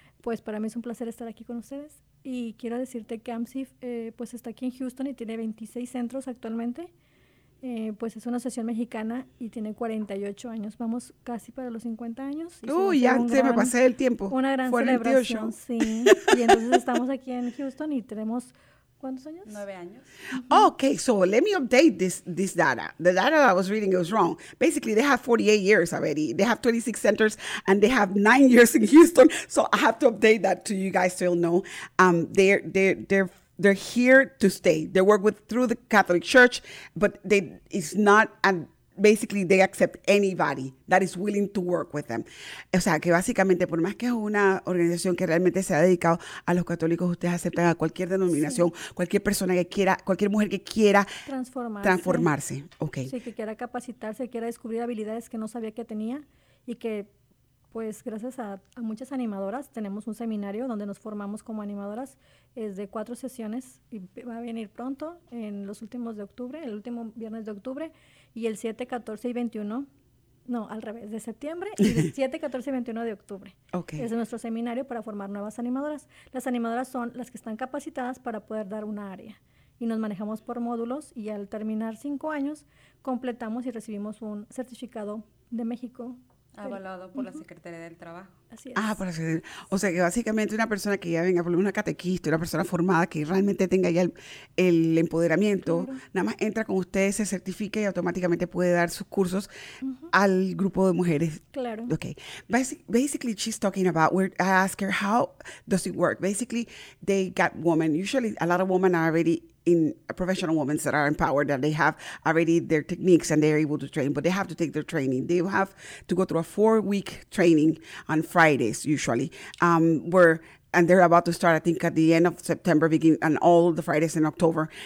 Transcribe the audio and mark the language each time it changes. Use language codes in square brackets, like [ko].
[es] Pues para mí es un placer estar aquí con ustedes. Y quiero decirte que ANSIF pues está aquí en Houston y tiene 26 centros actualmente. Pues es una asociación mexicana y tiene 48 años. Vamos casi para los 50 años. Me pasé el tiempo. Una gran 48. Celebración. Sí. Y entonces estamos aquí en Houston y tenemos, ¿cuántos años? 9 años. [en] Uh-huh. Okay, so let me update this data. The data that I was reading, it was wrong. Basically, they have 48 years already. They have 26 centers and they have 9 years in Houston. So I have to update that to you guys so you'll know. They're here to stay. They work through the Catholic Church, but it's not a basically they accept anybody that is willing to work with them. [es] O sea, que básicamente, por más que es una organización que realmente se ha dedicado a los católicos, ustedes aceptan a cualquier denominación, sí, cualquier persona que quiera, cualquier mujer que quiera transformarse. Okay. Sí, que quiera capacitarse, quiera descubrir habilidades que no sabía que tenía y que, pues, gracias a muchas animadoras, tenemos un seminario donde nos formamos como animadoras. Es de 4 sesiones y va a venir pronto, en los últimos de octubre, el último viernes de octubre, y el 7, 14 y 21, no, al revés, de septiembre, y el 7, 14 y 21 de octubre. Okay. Es nuestro seminario para formar nuevas animadoras. Las animadoras son las que están capacitadas para poder dar una área. Y nos manejamos por módulos, y al terminar 5 años, completamos y recibimos un certificado de México, avalado por, uh-huh, la Secretaría del Trabajo. Así es. Ah, por la, o sea, que básicamente una persona que ya venga, por una catequista, una persona formada que realmente tenga ya el empoderamiento, claro, nada más entra con ustedes, se certifica y automáticamente puede dar sus cursos, uh-huh, al grupo de mujeres. Claro. Okay. [en] Basically, she's talking about, where I ask her, how does it work? Basically, they got women. Usually, a lot of women are already in professional women that are empowered, that they have already their techniques and they're able to train, but they have to take their training. They have to go through a 4-week training on Fridays, usually, where, and they're about to start, I think, at the end of September, beginning, and all the Fridays in October.